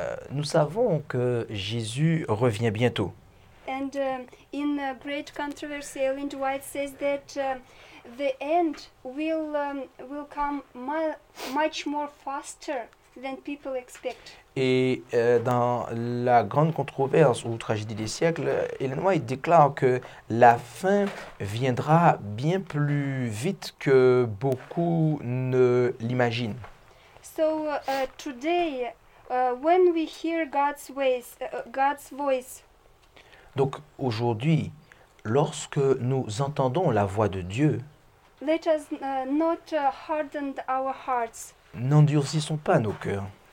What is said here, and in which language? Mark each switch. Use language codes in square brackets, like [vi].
[fr] Nous savons que Jésus revient bientôt. [en] And in a great controversy, Ellen White says that the end will come much more faster than people expect. [fr] Et dans la grande controverse ou tragédie des siècles, Ellen White déclare que la fin viendra bien plus vite que beaucoup ne l'imaginent. [en] So today, when we hear God's ways, God's voice. [fr] Donc aujourd'hui, lorsque nous entendons la voix de Dieu, [en] let us not harden our hearts. [fr] N'endurcissons pas nos cœurs.